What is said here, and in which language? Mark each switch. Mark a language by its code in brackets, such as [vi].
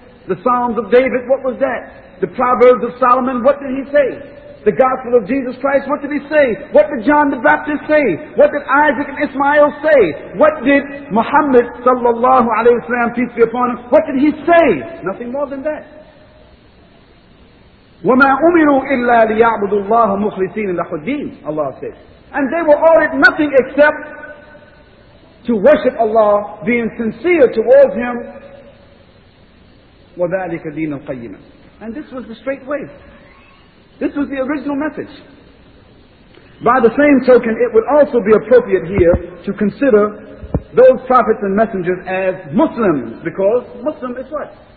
[en] The Psalms of David, what was that? The Proverbs of Solomon, what did he say? The Gospel of Jesus Christ, what did he say? What did John the Baptist say? What did Isaac and Ismail say? What did Muhammad, sallallahu alayhi wa sallam, peace be upon him, what did he say? Nothing more than that. [ar] وَمَا أُمِرُوا إِلَّا لِيَعْبُدُوا اللَّهَ مُخْلِصِينَ لَهُ الدِّينَ [en] Allah said. And they were ordered nothing except to worship Allah, being sincere towards Him. [ar] وَذَلِكَ دِينَ الْقَيِّمَةِ [en] And this was the straight way. This was the original message. By the same token, it would also be appropriate here to consider those prophets and messengers as Muslims, because Muslim is what?